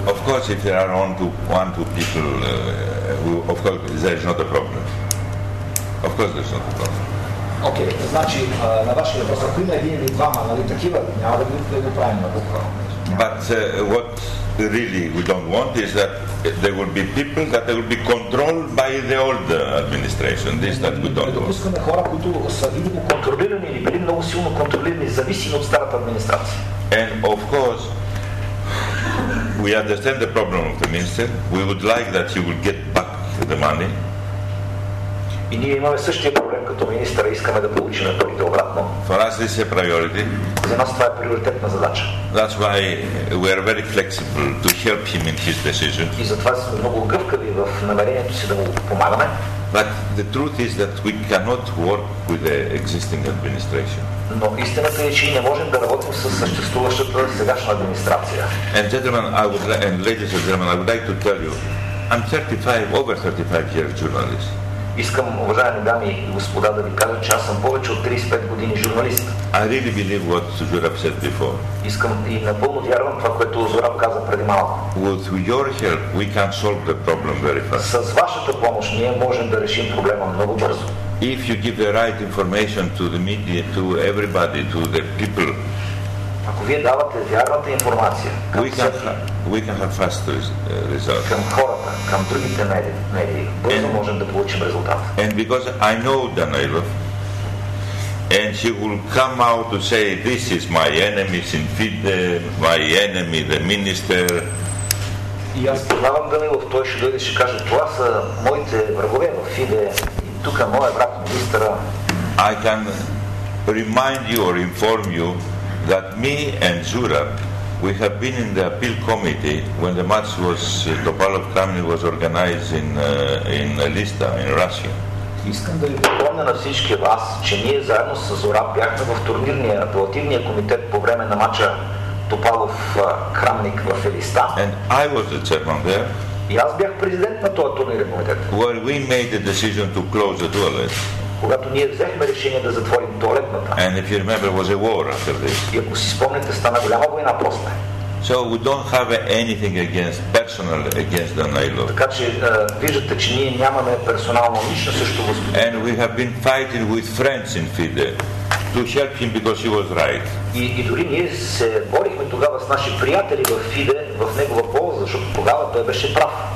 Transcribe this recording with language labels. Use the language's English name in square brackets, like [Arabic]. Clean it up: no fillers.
[English] Of course, if there are one, two people, of course, there is not a problem. Of course, there is not a problem. [Bulgarian] Okay, значи на ваши вопросы, ако има един или двама, нали, такива, няма да ги правим на буква. [English] But what really we don't want is that there will be people that they will be controlled by the old administration. This that we don't want. [Bulgarian] Не допускаме хора, които са видимо контролирани или били много силно контролирани, зависими от старата администрация. [English] And of course, we understand the problem of the minister. We would like that he would get back the money. [Bulgarian] И ние имаме същия проблем като министър, искаме да получим парите обратно. [English] For us this is a priority. [Bulgarian] За нас това е приоритетна задача. [English] That's why we are very flexible to help him in his decision. [Bulgarian] И затова сме много гъвкави в намерението си да му помагаме. [English] But the truth is that we cannot work with the existing administration. [Bulgarian] Но истината е, че не можем да работим с съществуващата сегашна администрация. [English] And gentlemen, ladies and gentlemen, I would like to tell you, I'm 35, over 35 years journalist. [Bulgarian] Искам, уважаеми дами и господа, да ви кажа, че аз съм повече от 35 години журналист. [English] I really believe what Zurab said before. [Bulgarian] Искам и напълно вярвам това, което Зураб каза преди малко. [English] With your help, we can solve the problem very fast. [Bulgarian] С вашата помощ ние можем да решим проблема много бързо. [English] If you give the right information to the media, to everybody, to the people. [Bulgarian] Ако вие давате вярната информация, [English] we can have faster results. [Bulgarian] Към хората, към другите медии, бързо можем да получим резултат. [English] And because I know Danilov, and he will come out to say, this is my enemy, Sinfide, my enemy, the minister. [Bulgarian] И аз познавам Данилов, той ще дойде и ще каже, това са моите врагове в Фиде, тук е моят брат министъра. [English] I can remind you or inform you that me and Zurab, we have been in the appeal committee when the match was Topalov Kamny was organized in Lista in Russia. [Bulgarian] Искам да ви припомня на всички вас, че ние заедно с Зурап бяхме в турнирния апелативния комитет по време на мача Топалов Крамник в Елиста. [English] And I was the chairman there. [Bulgarian] И аз бях президент на този турнирен комитет. [English] Where we made the decision to close the toilet. [Bulgarian] Когато ние взехме решение да затворим туалетната. [English] And if you remember, it was a war after this. [Bulgarian] И ако си спомнете, стана голяма война после. [English] So we don't have anything against personal against Danilov. [Bulgarian] Така че виждате, че ние нямаме персонално нищо срещу господин. [English] And we have been fighting with friends in FIDE to help him because he was right. [Bulgarian] И дори ние се борихме тогава с наши приятели в FIDE в негова полза, защото тогава той беше прав.